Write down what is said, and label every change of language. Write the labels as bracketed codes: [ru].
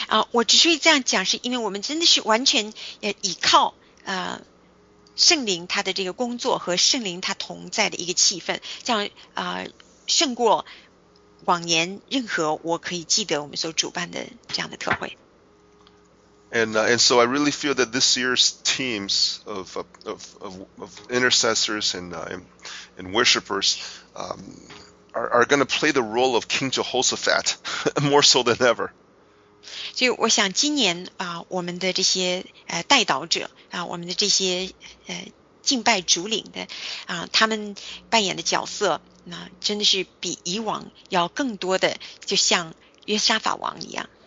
[zh] 我只是这样讲，是因为我们真的是完全依靠圣灵他的这个工作和圣灵他同在的一个气氛，这样胜过往年任何我可以记得我们所主办的这样的特会。 [en] And so I really feel that this year's teams of intercessors and worshipers are going to play the role of King Jehoshaphat more so than ever. [zh] 所以我想今年我们的这些代祷者我们的这些敬拜主领的他们扮演的角色那真的是比以往要更多的就像约沙法王一样。